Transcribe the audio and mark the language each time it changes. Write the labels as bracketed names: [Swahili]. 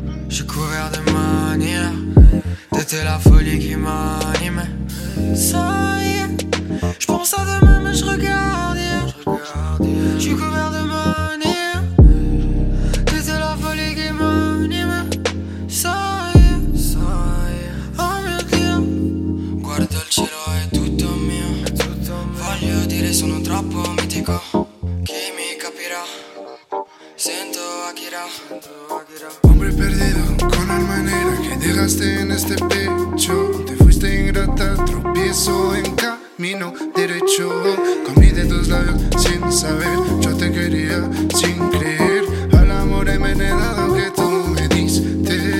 [French] J'ai couvert de manière. T'étais la folie qui m'anime. Ça y est. Je pense à demain mais je regarde. J'suis couvert de manie. T'étais la folie qui m'anime. Ça y est. Oh mon Dieu. [Italian] Guarda il cielo è tutto mio. Voglio dire sono troppo mitico. Chi mi capirà? Sento Akira. [Spanish] Hombre perdido con alma nera. Que dejaste en este pecho. Te fuiste ingrata, tropiezo en casa. Camino derecho, comí de tus labios sin saber. Yo te quería sin creer. Al amor he envenenado que tú me diste.